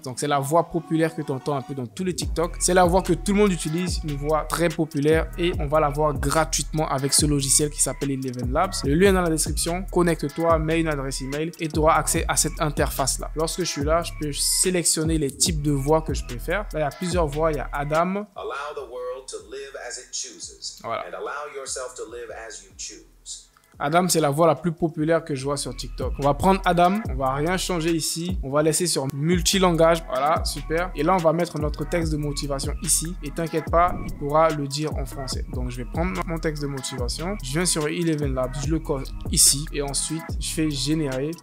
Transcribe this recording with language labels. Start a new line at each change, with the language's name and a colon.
French: Donc c'est la voix populaire que tu entends un peu dans tous les TikTok. C'est la voix que tout le monde utilise, une voix très populaire. Et on va l'avoir gratuitement avec ce logiciel qui s'appelle Eleven Labs. Le lien est dans la description. Connecte-toi, mets une adresse email et tu auras accès à cette interface là. Lorsque je suis là, je peux sélectionner les types de voix que je préfère. Là, il y a plusieurs voix. Il y a Adam.
English: Allow the world to live as it chooses. Voilà. And allow yourself to live as you choose.
French: Adam, c'est la voix la plus populaire que je vois sur TikTok. On va prendre Adam, on va rien changer ici. On va laisser sur multilangage. Voilà, super. Et là, on va mettre notre texte de motivation ici. Et t'inquiète pas, il pourra le dire en français. Donc, je vais prendre mon texte de motivation. Je viens sur Eleven Labs, je le colle ici. Et ensuite, je fais générer.